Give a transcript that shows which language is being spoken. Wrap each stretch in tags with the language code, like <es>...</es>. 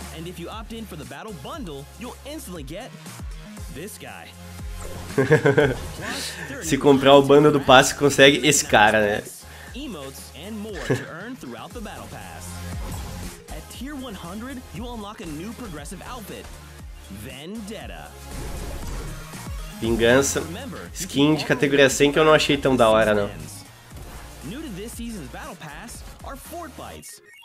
<en>And if you opt in for the battle bundle, you'll instantly get this guy.</en> <pt>Se comprar o bando do passe, consegue esse cara, né?</pt> <en>Emotes and more to earn throughout the battle pass. At tier 100, you unlock a new progressive outfit.</en> <pt>Vendetta. Vingança. Skin de categoria 100 que eu não achei tão da hora, não.</pt> <en>New to this season's battle pass are Fort Bites.</en>